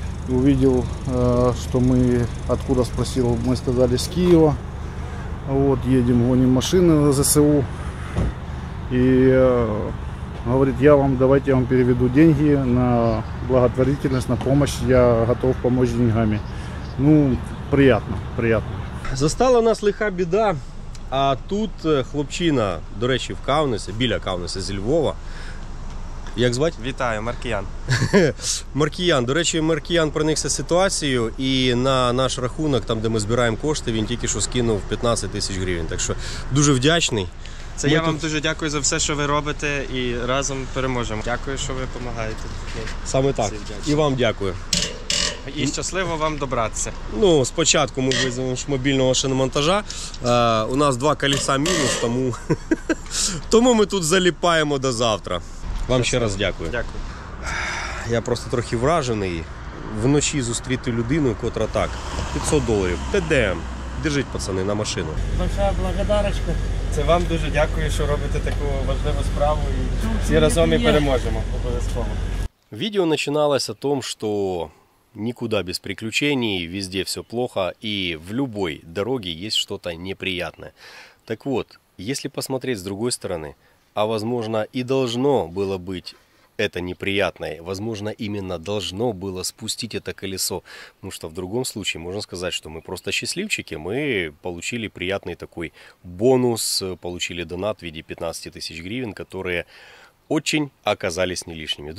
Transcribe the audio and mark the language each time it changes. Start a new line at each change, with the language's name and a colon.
Russian: Увидел, что мы, откуда спросил, мы сказали, с Киева. Вот, едем, гоним машины на ЗСУ. И... Говорит, давайте я вам переведу деньги на благотворительность, на помощь. Я готов помочь деньгами. Ну, приятно, приятно. Застала нас лиха беда.
Ukrainian: А тут хлопчина, до речі, в Каунасі, біля Каунаса зі Львова. Як звати? Вітаю, Маркіян. Маркіян. До речі, Маркіян проникся ситуацією, і на наш рахунок, там, де ми збираємо кошти, він тільки що скинув 15 тисяч гривень. Так що дуже вдячний. Це ми я тут... вам дуже дякую за все, що ви робите, і разом переможемо. Дякую, що ви допомагаєте. Саме так. І вам дякую. І щасливо вам добратися. Ну, спочатку ми виземемо мобільного шиномонтажа. У нас два коліса мінус, тому... тому ми тут заліпаємо до завтра. Вам ще раз дякую. Дякую. Я просто трохи вражений. Вночі зустріти людину, котра так. $500. ТДМ. Держіть, пацани, на машину.
Russian: Большая благодарочка.
Ukrainian: Це вам дуже дякую, що робите таку важливу справу. І всі разом і переможемо. Обов'язково. Відео починалося
Russian: о том,
Ukrainian: що...
Russian: Никуда без приключений, везде все плохо, и в любой дороге есть что-то неприятное. Так вот, если посмотреть с другой стороны, а возможно и должно было быть это неприятное, возможно именно должно было спустить это колесо, потому что в другом случае можно сказать, что мы просто счастливчики, мы получили приятный такой бонус, получили донат в виде 15 тысяч гривен, которые очень оказались не лишними.